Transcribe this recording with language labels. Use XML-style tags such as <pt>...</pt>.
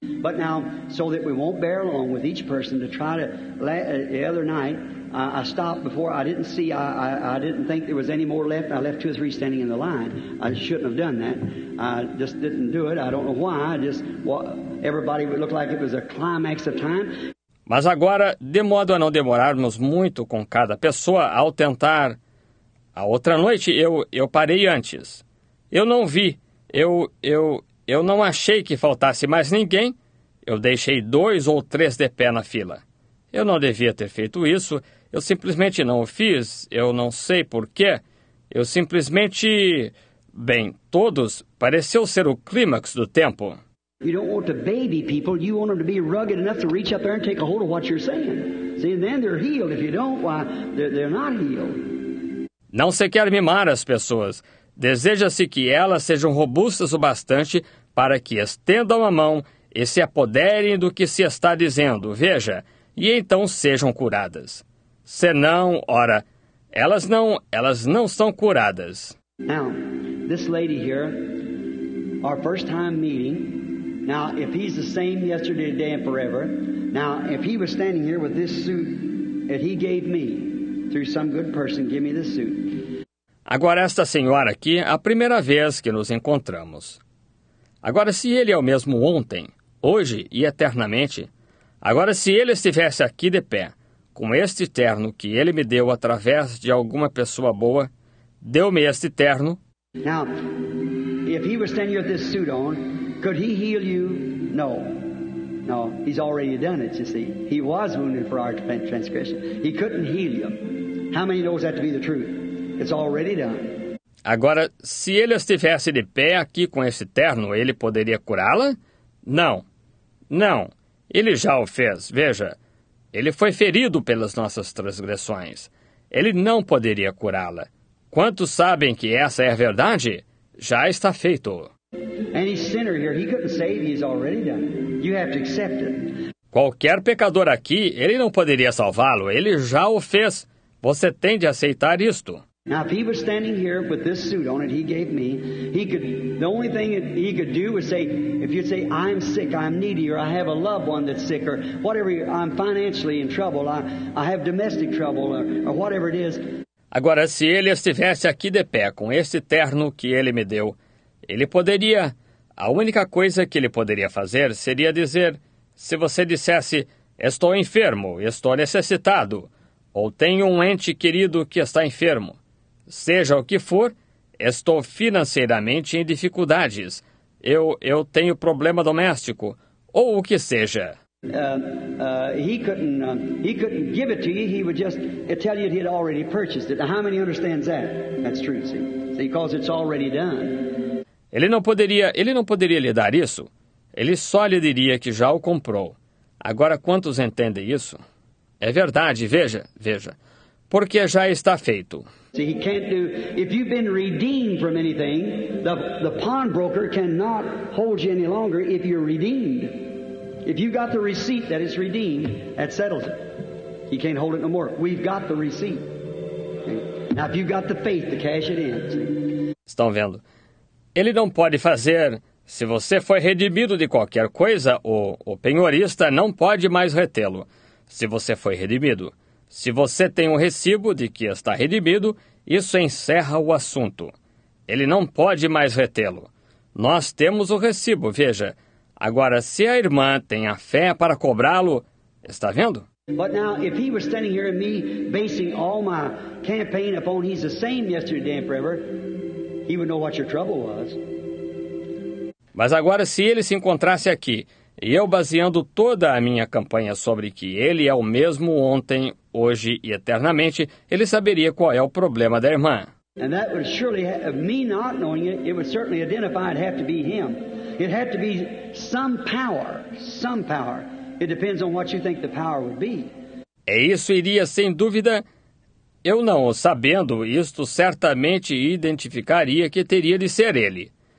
<en>But now, so that we won't bear along with each person to try to, the other night, I stopped before, I didn't see, I didn't think there was any more left. I left two or three standing in the line. I shouldn't have done that. I just didn't do it. I don't know why. Everybody would look like it was a climax of time.</en> <pt>Mas agora, de modo a não demorarmos muito com cada pessoa, ao tentar, a outra noite, eu parei antes. Eu não vi, eu não achei que faltasse mais ninguém. Eu deixei dois ou três de pé na fila. Eu não devia ter feito isso, eu simplesmente não o fiz, eu não sei porquê. Eu simplesmente... Bem, todos, pareceu ser o clímax do tempo.</pt> <en>You don't want to baby people, you want them to be rugged enough to reach up there and take a hold of what you're saying. See, and then they're healed. If you don't, why, they're not healed.</en> <pt>Não se quer mimar as pessoas. Deseja-se que elas sejam robustas o bastante para que estendam a mão e se apoderem do que se está dizendo, veja, e então sejam curadas. Senão, ora, elas não são curadas.</pt> <en>Now, this lady here, our first time meeting. Now, if he's the same yesterday, today, and forever, now, if he was standing here with this suit that he gave me, through some good person, give me this suit.</en> <pt>Agora, esta senhora aqui, a primeira vez que nos encontramos. Agora, se ele é o mesmo ontem, hoje e eternamente, agora, se ele estivesse aqui de pé, com este terno que ele me deu através de alguma pessoa boa, deu-me este terno...</pt> <en>Now, if he was standing here with this suit on... Could he heal you? No. No, he's already done it, you see. He was wounded for our transgression. He couldn't heal you. How many knows that to be the truth? It's already done.</en> <pt>Agora, se ele estivesse de pé aqui com esse terno, ele poderia curá-la? Não. Não. Ele já o fez. Veja, ele foi ferido pelas nossas transgressões. Ele não poderia curá-la. Quantos sabem que essa é a verdade? Já está feito.</pt> <en>Any sinner here, he couldn't save, he's already done. You have to accept it.</en> <pt>Qualquer pecador aqui, ele não poderia salvá-lo. Ele já o fez. Você tem de aceitar isto.</pt> <en>Now, if he was standing here with this suit on it he gave me, he could, the only thing he could do was say, if you'd say, I'm sick, I'm needy, or I have a loved one that's sick, or whatever, I'm financially in trouble, I have domestic trouble, or whatever it is.</en> <pt>Agora, se ele estivesse aqui de pé com este terno que ele me deu, ele poderia, a única coisa que ele poderia fazer seria dizer, se você dissesse, estou enfermo, estou necessitado, ou tenho um ente querido que está enfermo. Seja o que for, estou financeiramente em dificuldades, eu tenho problema doméstico, ou o que seja.</pt> <en>He couldn't give it to you, he would just tell you he had already purchased it. How many understands that? That's true, see? Because it's already done.</en> <pt>Ele não poderia lhe dar isso. Ele só lhe diria que já o comprou. Agora, quantos entendem isso? É verdade, veja. Porque já está feito.</pt> <en>See, he can't do, if you've been redeemed from anything, the pawnbroker cannot hold you any longer if you're redeemed. If you've got the receipt that is redeemed, that settles it. He can't hold it no more. We've got the receipt. Now, if you've got the faith to cash it in. See?</en> <pt>Estão vendo? Ele não pode fazer, se você foi redimido de qualquer coisa, o penhorista não pode mais retê-lo, se você foi redimido. Se você tem o recibo de que está redimido, isso encerra o assunto. Ele não pode mais retê-lo. Nós temos o recibo, veja. Agora, se a irmã tem a fé para cobrá-lo, está vendo?</pt> <en>But now, if he were standing here and me basing all my campaign upon he's the same yesterday and forever, he would know what your trouble was.</en> <pt>Mas agora, se ele se encontrasse aqui, e eu baseando toda a minha campanha sobre que ele é o mesmo ontem, hoje e eternamente, ele saberia qual é o problema da irmã.</pt> <en>And that would surely, me not knowing it, it would certainly identify it have to be him. It had to be some power, it depends on what you think the power would be.</en> <pt>E isso iria, sem dúvida, eu não, sabendo isto, certamente identificaria que teria de ser ele.</pt>